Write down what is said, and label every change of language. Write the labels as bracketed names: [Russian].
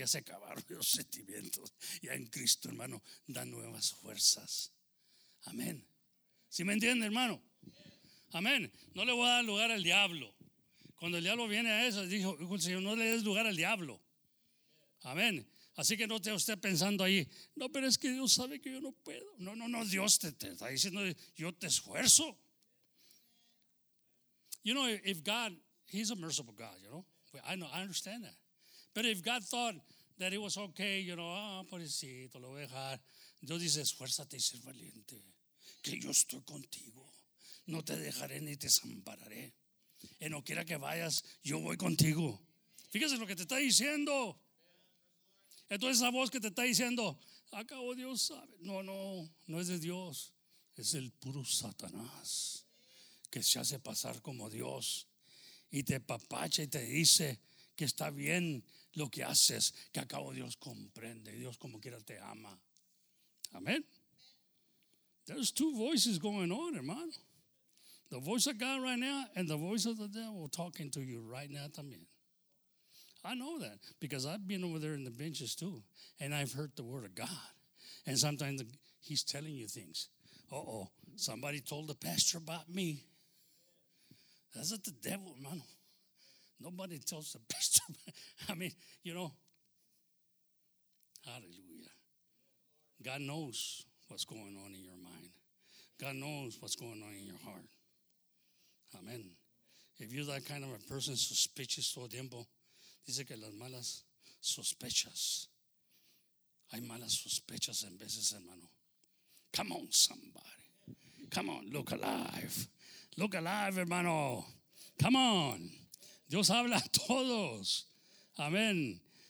[Spanish] Ya se acabaron los sentimientos. Ya en Cristo, hermano, dan nuevas fuerzas. Amén. ¿Sí me entiende, hermano? Amén. No le voy a dar lugar al diablo. Cuando el diablo viene a eso, dijo el Señor, no le des lugar al diablo. Amén. Así que no esté usted pensando ahí, no, pero es que Dios sabe que yo no puedo. No, Dios te está diciendo, yo te esfuerzo. [English] You know, if God, he's a merciful God, you know. I understand that. But if God thought that it was okay, you know, [Spanish] pobrecito, lo voy a dejar. Dios dice, esfuérzate y ser valiente, que yo estoy contigo. No te dejaré ni te desampararé. En no quiera que vayas, yo voy contigo. Fíjese lo que te está diciendo. Entonces esa voz que te está diciendo, acabo, Dios sabe. No es de Dios. Es el puro Satanás que se hace pasar como Dios y te papacha y te dice que está bien lo que haces, que acabo Dios comprende. Dios como quiera te ama. Amén. [English] There's two voices going on, hermano. The voice of God right now and the voice of the devil talking to you right now también. I know that because I've been over there in the benches too and I've heard the word of God. And sometimes he's telling you things. Uh-oh, somebody told the pastor about me. That's not the devil, hermano. Nobody tells the pastor. I mean, you know. Hallelujah. God knows what's going on in your mind. God knows what's going on in your heart. [Spanish] Amén. [English] If you're that kind of a person, suspicious [Spanish] todo el tiempo, dice que las malas sospechas, hay malas sospechas en veces, hermano. [English] Come on, somebody. Come on, look alive. Look alive, hermano. Come on. Dios habla a todos. Amén.